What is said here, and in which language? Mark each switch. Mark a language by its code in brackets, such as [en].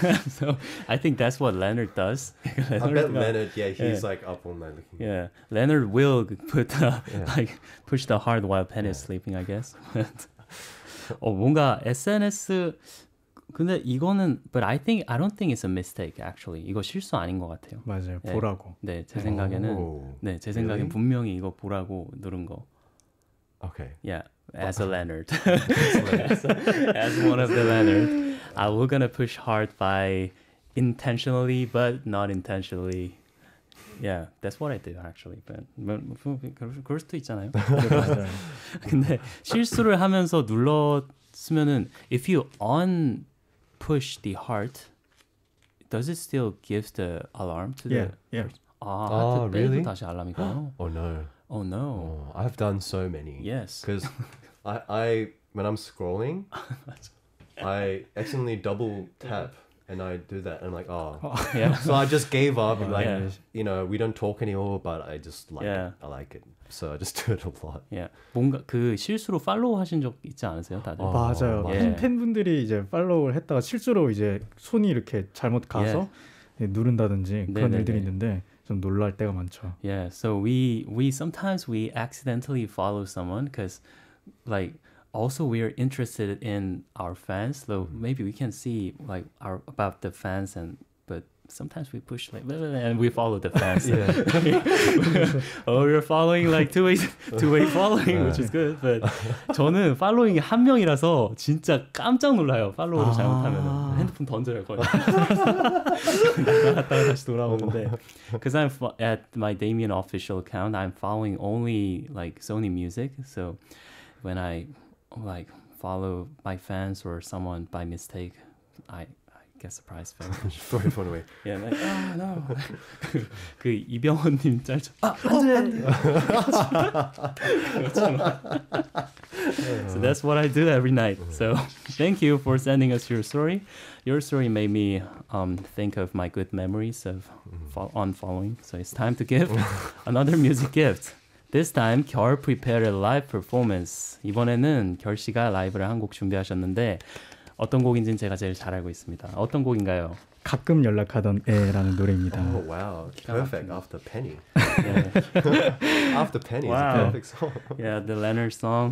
[en] So I think that's what Leonard does. I bet Leonard, he's like up all night looking. Yeah. Leonard will push the heart while Penny is sleeping, I guess. [ko] 뭔가 SNS... 근데 이거는 [en] but I think I don't think it's a mistake actually. [ko] 이거 실수 아닌 것 같아요. 맞아요. 네. 보라고. 네, 제 생각에는 네, 제 생각엔 really? 분명히 이거 보라고 누른 거. [en] Okay. Yeah, as a Leonard. as one of the Leonard. We're going to push hard by intentionally but not intentionally. Yeah, that's what I did actually. But [ko] 그럴 수도 있잖아요. 근데 실수를 하면서 눌렀으면은 [en] if you on push the heart does it still give the alarm to yeah, the yeah. Ah, oh, really? [ko] 다시 알람이 가요? [en] Oh no. Oh no. Oh, I've done so many. Yes. Cuz I when I'm scrolling I accidentally double tap and I do that and I'm like, oh. Yeah. So I just gave up and like, yeah. you know, we don't talk anymore, but I just like yeah. it. I like it. So I just do it a lot. Yeah. [ko] 뭔가 그 실수로 팔로우 하신 적 있지 않으세요, 다들? Oh, 맞아요. 맞아요. 팬, 팬분들이 이제 팔로우를 했다가 실수로 이제 손이 이렇게 잘못 가서 yeah. 누른다든지 그런 네네네. 일들이 있는데 좀 놀랄 때가 많죠. [en] Yeah. So we sometimes we accidentally follow someone because like also we are interested in our fans, so maybe we can see like our about the fans and but sometimes we push like blah, blah, blah, and we follow the fans. Yeah. oh, you're following like two way following, which is good. [ko] But 저는 following 한 명이라서 진짜 깜짝 놀라요. Follow를 잘못하면 핸드폰 던져요 거의. 갔다가 다시 돌아오는데. [en] Because I'm at my Damien official account, I'm following only like Sony Music. So when I like follow my fans or someone by mistake, I get surprised very much. Throw your phone away. Yeah, like, oh no. [ko] 그 이병헌님 짤죠. 아, 안 돼! 그렇잖아. [en] So that's what I do every night. So thank you for sending us your story. Your story made me think of my good memories of on following. So it's time to give another music gift. This time, 겨울 prepared a live performance. [ko] 이번에는 겨울 씨가 라이브를 한 곡 준비하셨는데 어떤 곡인지는 제가 제일 잘 알고 있습니다. 어떤 곡인가요? 가끔 연락하던 애라는 노래입니다. [en] Oh, wow. Perfect. After Penny. Yeah. After Penny is wow. a perfect song. Yeah, the Leonard song.